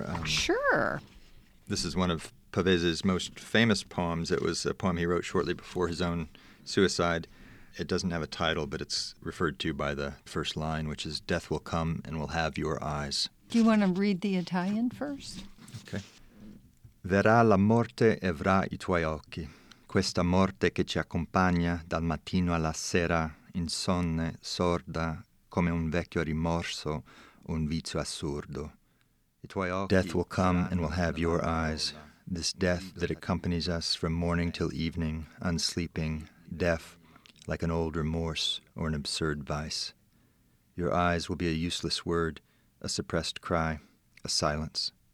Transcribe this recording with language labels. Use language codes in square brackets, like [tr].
[en] Sure. This is one of Pavese's most famous poems. It was a poem he wrote shortly before his own suicide. It doesn't have a title, but it's referred to by the first line, which is, "Death will come and will have your eyes." Do you want to read the Italian first? Okay. [it] Verrà la morte e avrà i tuoi occhi. Questa morte che ci accompagna dal mattino alla sera, insonne, sorda, come un vecchio rimorso, un vizio assurdo. [en] Death will come and will have your eyes. This death that accompanies us from morning till evening, unsleeping, deaf, like an old remorse or an absurd vice. Your eyes will be a useless word, a suppressed cry, a silence.